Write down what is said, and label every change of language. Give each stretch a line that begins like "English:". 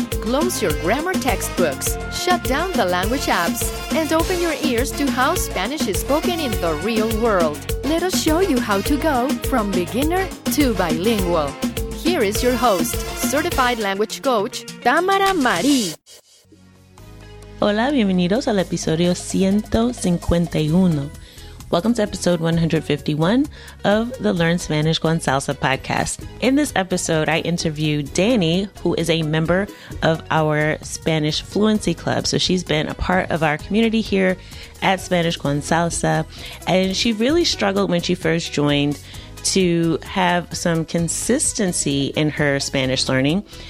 English: Close your grammar textbooks, shut down the language apps, and open your ears to how Spanish is spoken in the real world. Let us show you how to go from beginner to bilingual. Here is your host, certified language coach, Tamara Mari.
Spanish: Hola, bienvenidos al episodio 151.
English: Welcome to episode 151 of the Learn Spanish con Salsa podcast. In this episode, I interview Dani, who is a member of our Spanish Fluency Club. So she's been a part of our community here at Spanish con Salsa, and she really struggled when she first joined to have some consistency in her Spanish learning.